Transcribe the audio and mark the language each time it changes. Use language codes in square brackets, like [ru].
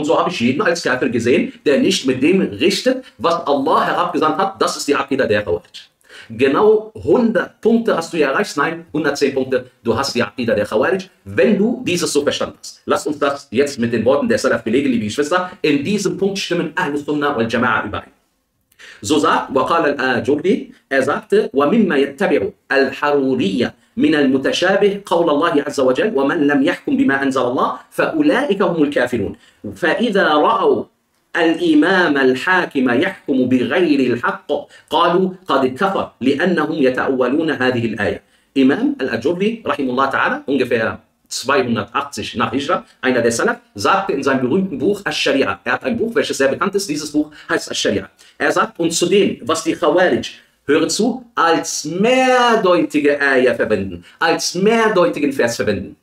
[de] Und so habe ich jeden als Kafir gesehen, der nicht mit dem richtet, was Allah herabgesandt hat, das ist die Aqidah der Khawarij. Genau 100 Punkte hast du ja erreicht. Nein, 110 Punkte, du hast die Aqidah der Khawarij, wenn du dieses so verstanden hast. Lass uns das jetzt mit den Worten der Salaf belegen, liebe Geschwister. In diesem Punkt stimmen Ahl-Sunnah und Jama'ah überein. [ar] So sagt, وقال الجردي, er sagte, ومما يتبع الحرورية من المتشابه قول الله عز وجل ومن لم يحكم بما أنزل الله فأولئك هم الكافرون فإذا رأوا الإمام الحاكم يحكم بغير الحق قالوا قد كفر لأنهم يتأولون هذه الآية. إمام الجردي رحمه الله تعالى [de] ungefähr 280 nach Hijra, einer der Salaf, sagte in seinem berühmten Buch Al-Sharia. Er hat ein Buch, welches sehr bekannt ist. Dieses Buch heißt Al-Sharia. Er sagt, und zu dem, was die Khawarij, höre zu, als mehrdeutige Ayah verwenden, als mehrdeutigen Vers verwenden.